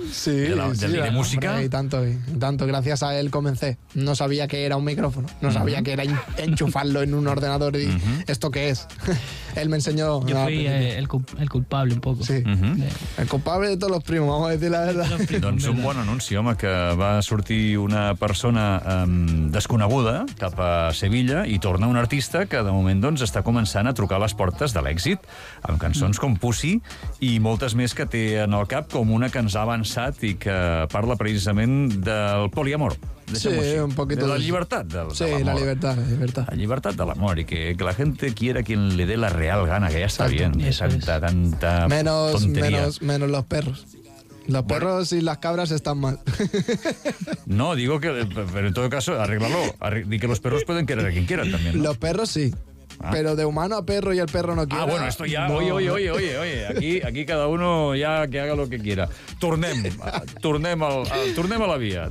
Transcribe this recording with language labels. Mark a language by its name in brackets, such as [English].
[Spanish] Sí, de música. Hombre, y tanto, gracias a él comencé. No sabía que era un micrófono, no sabía que era enchufarlo en un ordenador y esto qué es. Él me enseñó. Yo fui el culpable un poco. Sí, el culpable de todos los primos, vamos a decir la verdad. [Catalan] Doncs un bon anunci, home, que va sortir una persona desconeguda cap a Sevilla i torna un artista que de moment doncs està començant a trucar a les portes de l'èxit amb cançons com Pussy i moltes més que té en el cap, com una que ens ha avançat i que parla precisament del poliamor. [Spanish] Sí, un poquito. [Catalan] De la llibertat de l'amor. Sí, la llibertat. La llibertat de l'amor i [Spanish] que la gente quiera quien le dé la real gana, [Catalan] que ja està bé. [Spanish] Tanta menos los perros. Los perros y las cabras están mal. No, digo que... Pero en todo caso, arréglalo. Y que los perros pueden querer a quien quieran también, ¿no? Los perros sí. Pero de humano a perro y el perro no quiere. Ah, bueno, esto ya... No. Oye. Aquí cada uno ya que haga lo que quiera. [Catalan] Tornem a la vía.